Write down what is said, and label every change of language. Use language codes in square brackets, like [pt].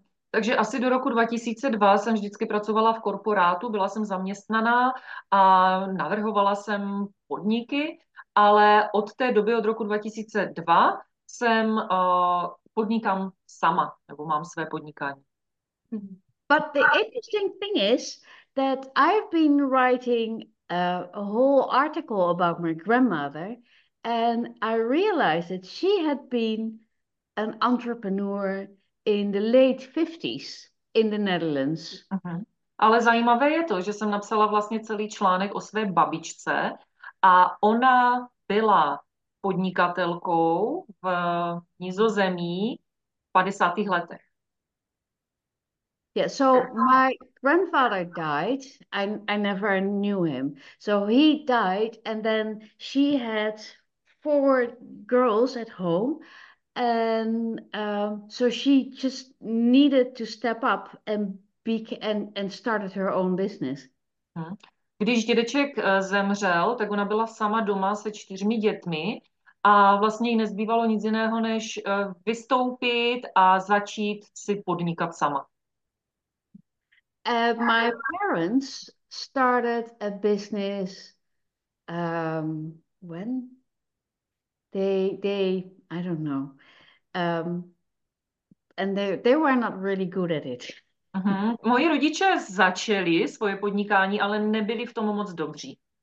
[cs] Takže asi do roku 2002 jsem vždycky pracovala v korporátu, byla jsem zaměstnaná a navrhovala jsem podniky, ale od té doby, od roku 2002, jsem podnikám sama, nebo mám své podnikání. [en] But the interesting thing is that I've been writing a whole article about my grandmother and I realized that she had been an entrepreneur in the late 50s in the Netherlands. [cs] Ale zajímavé je to, že jsem napsala vlastně celý článek o své babičce a ona byla podnikatelkou v Nizozemí v 50. letech. [en] Yeah, so my grandfather died. I never knew him. So he died and then she had four girls at home. And so she just needed to step up and started her own business. [cs] Když dědeček zemřel, tak ona byla sama doma se čtyřmi dětmi a vlastně jí nezbývalo nic jiného, než vystoupit a začít si podnikat sama. [en] My parents started a business when they I don't know. And they were not really good at it. [cs] Moji rodiče začali svoje podnikání, ale nebyli v tom moc dobří.